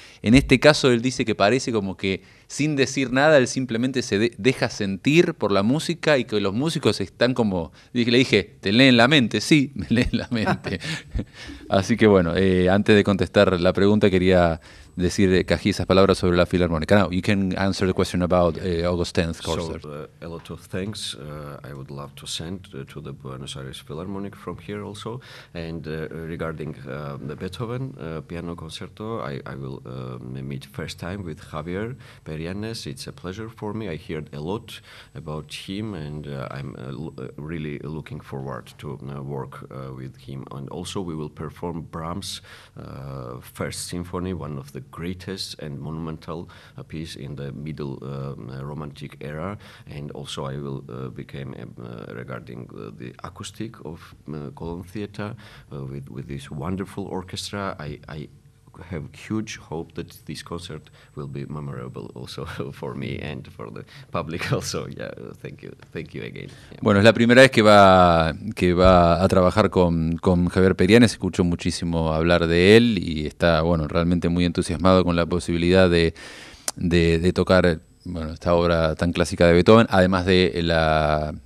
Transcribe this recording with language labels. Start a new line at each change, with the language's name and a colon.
Spanish: En este caso él dice que parece como que sin decir nada él simplemente se deja sentir por la música, y que los músicos están como... Le dije, ¿te leen la mente? Sí, me leen la mente. Así que bueno, antes de contestar la pregunta quería decir Cají esas palabras sobre la Filarmónica.
English: Now you can answer the question about August 10th concert. So, a lot of thanks I would love to send to the Buenos Aires Philharmonic from here also. And regarding the Beethoven piano concerto, I will meet first time with Javier Perianes. It's a pleasure for me. I heard a lot about him, and I'm really looking forward to work with him. And also we will perform Brahms' First Symphony, one of the greatest and monumental piece in the middle romantic era. And also I will become regarding the acoustic of Cologne Theater with this wonderful orchestra. I have huge hope that this concert will be memorable also for me and for the public also. Yeah, thank you again. Yeah.
Spanish: Bueno, es la primera vez que va a trabajar con Javier Perianes. Escucho muchísimo hablar de él y está, bueno, realmente muy entusiasmado con la posibilidad de tocar, bueno, esta obra tan clásica de Beethoven, además de la